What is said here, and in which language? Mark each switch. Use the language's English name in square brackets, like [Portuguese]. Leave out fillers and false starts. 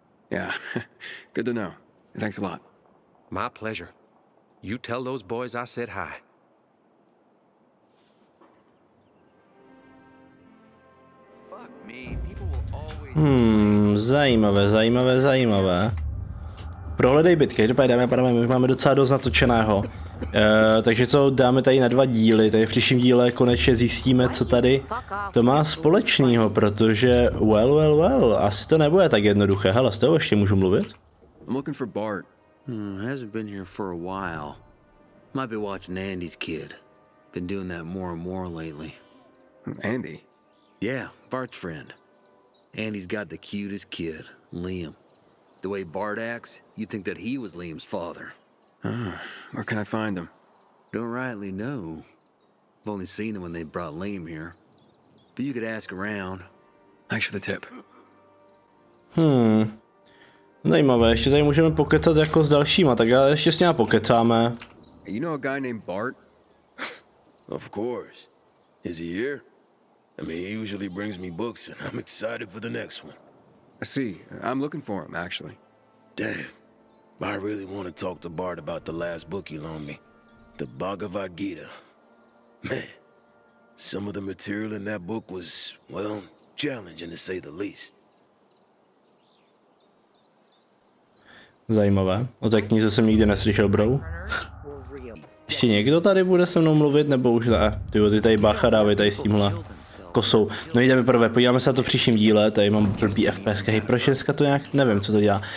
[English] Yeah, good to know. Thanks a lot. My pleasure. You tell those boys I said hi. Fuck me, people will always... [Czech] zajímavé. Prohledej byt, každopádně dáme, pane, my máme docela dost natočeného. Takže to dáme tady na dva díly, tady v příštím díle konečně zjistíme, co tady to má společného, protože well, asi to nebude tak jednoduché. Hele, s toho ještě můžu mluvit? [English] I'm looking for Bart. Hasn't been here for a while. Might be watching Andy's kid. Been doing that more and more lately. Andy? Yeah, Bart's friend. Andy's got the cutest kid, Liam. The way Bart acts, you'd think that he was Liam's father. Where can I find him? Don't rightly know. I've only seen him when they brought Liam here. But you could ask around. Thanks for the tip. [Czech] Zajímavé, ještě tady můžeme pokecat jako s dalšíma, tak já ještě s ním pokecáme. [English] You know a guy named Bart? Of course. Is he here? I mean, he usually brings me books and I'm excited for the next one. I see. I'm looking for him, actually. Damn. I really want to talk to Bart about the last book he loaned me. The Bhagavad Gita. Man, some of the material in that book was, well, challenging to say the least. [Czech] Zajímavé. O té knize jsem nikdy neslyšel, bro. Ještě někdo tady bude se mnou mluvit, nebo už ne? Tyjo, ty tady bacha dávej tady s tímhle kosou. No jdeme prvé, podíváme se na to v příštím díle, tady mám blbý FPS, hej, proč dneska to nějak, nevím, co to dělá.